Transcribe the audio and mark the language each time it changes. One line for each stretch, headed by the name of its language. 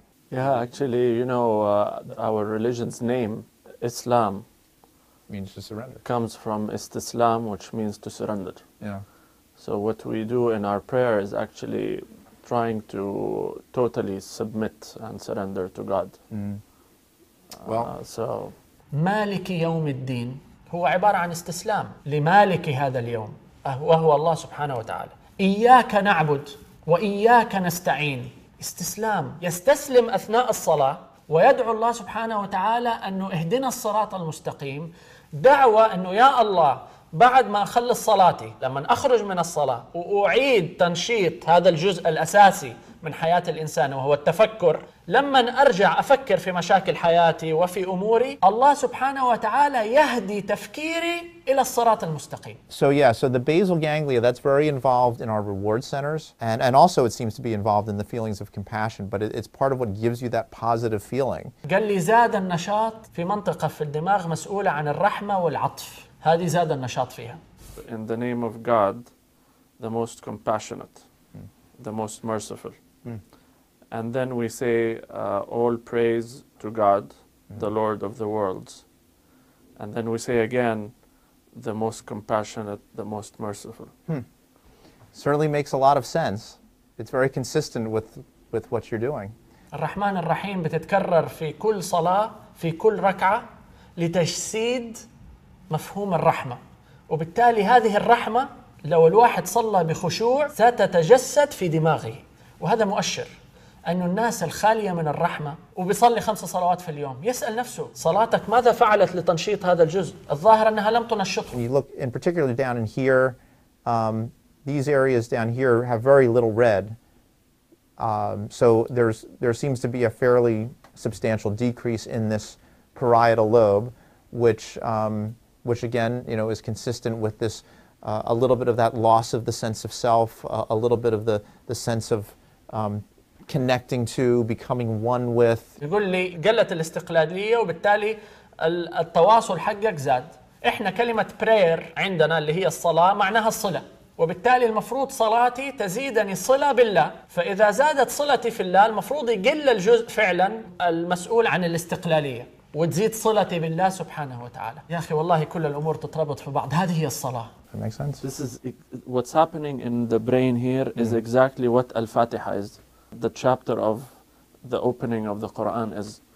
English: Yeah, actually, you know, our religion's name, Islam, means to surrender. Comes from istislam, which means to surrender. Yeah. So what we do in our prayer is actually trying to totally submit and surrender to God. So
Arabic: مالك يوم الدين هو عبارة عن استسلام لمالك هذا اليوم وهو الله سبحانه وتعالى. إياك نعبد وإياك نستعين، استسلام، يستسلم أثناء الصلاة ويدعو الله سبحانه وتعالى أنه اهدنا الصراط المستقيم، دعوة أنه يا الله بعد ما أخلص صلاتي لما أخرج من الصلاة وأعيد تنشيط هذا الجزء الأساسي من حياة الإنسان وهو التفكر، لما أرجع أفكر في مشاكل حياتي وفي أموري الله سبحانه وتعالى يهدي تفكيري إلى الصراط المستقيم.
English: So yeah, so the basal ganglia, that's very involved in our reward centers and also it seems to be involved in the feelings of compassion, but it's part of what gives you that positive feeling.
Arabic: قال لي زاد النشاط في منطقة في الدماغ مسؤولة عن الرحمة والعطف، هذه زاد النشاط فيها.
English: In the name of God, the most compassionate, the most merciful. And then we say all praise to God, the Lord of the worlds. And then we say again, the most compassionate, the most merciful. Certainly makes a lot of sense. It's very consistent with what you're doing.
Arabic: الرحمن الرحيم بتتكرر في كل صلاة في كل ركعة لتجسيد مفهوم الرحمة. وبالتالي هذه الرحمة لو الواحد صلى بخشوع ستتجسد في دماغه. وهذا مؤشر أن الناس الخالية من الرحمة وبيصلي 5 صلوات في اليوم يسأل نفسه صلاتك ماذا فعلت لتنشيط هذا الجزء؟ الظاهر أنها لم تنشطه. You look in particularly down in here, these areas down here have very little red. So there seems to be a fairly substantial decrease in this parietal lobe, which again, you know, is consistent with this a little bit of that loss of the sense of self, a little bit of the sense of connecting to, becoming one with. يقول لي قلت الاستقلالية وبالتالي التواصل حقك زاد. إحنا كلمة prayer عندنا اللي هي الصلاة معناها الصلة. وبالتالي المفروض صلاتي تزيدني صلة بالله. فإذا زادت صلتي في الله المفروض يقل الجزء فعلا المسؤول عن الاستقلالية وتزيد صلتي بالله سبحانه وتعالى. يا أخي والله كل الأمور تتربط في بعض. هذه هي الصلاة.
English: That makes sense. This is what's happening in the brain here is exactly what Al-Fatiha is. The chapter of the opening of the Quran is.